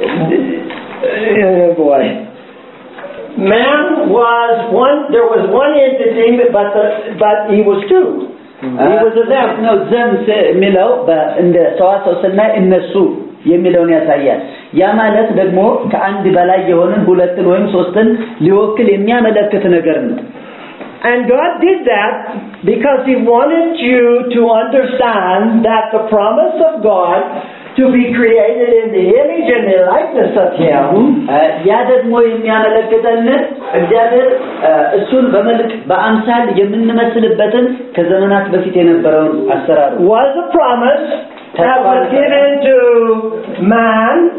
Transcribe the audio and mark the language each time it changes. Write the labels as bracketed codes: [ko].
[en] ቦይ man was one, there was one entity but he was two. He was a them. No them [am] ሚለው በእንደ ተዋሰውስና እነሱ የሚለውን ያሳያል. ያ ማለት ደግሞ ከአንድ በላይ የሆነን ሁለትን ወይም ሶስትን ሊወክል የሚያመለክት ነገር ነው. [en] And God did that because he wanted you to understand that the promise of God to be created in the image and the likeness of him [am] ያደግሞ የሚያመለክተን እግዚአብሔር እሱን በመልክ በአምሳል የምንመስልበትን ከዘመናት በፊት የነበረው አሰራር [en] was a promise that was given to man